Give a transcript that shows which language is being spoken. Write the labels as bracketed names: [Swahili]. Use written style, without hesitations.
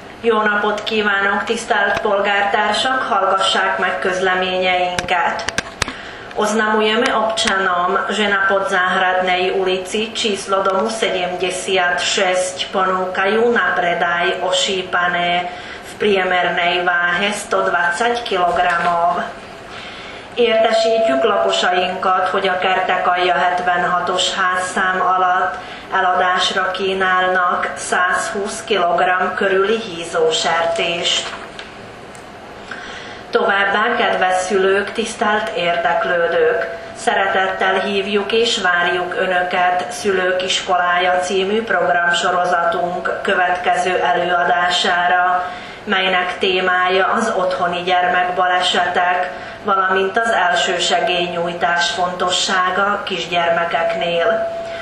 [Hungarian] Jó napot kívánok, tisztelt polgártársak, hallgassák meg közleményeinket. [Slovak] Oznamujeme občanom, že na Podzáhradnej ulici číslo domu 76 ponúkajú na predaj ošípané v priemernej váhe 120 kg. [Hungarian] Értesítjük lakosainkat, hogy a Kertekalja 76-os házszám alatt eladásra kínálnak 120 kg körüli hízósertést. Továbbá, kedves szülők, tisztelt érdeklődők, szeretettel hívjuk és várjuk Önöket Szülők iskolája című programsorozatunk következő előadására, melynek témája az otthoni gyermekbalesetek, valamint az első segélynyújtás fontossága kisgyermekeknél.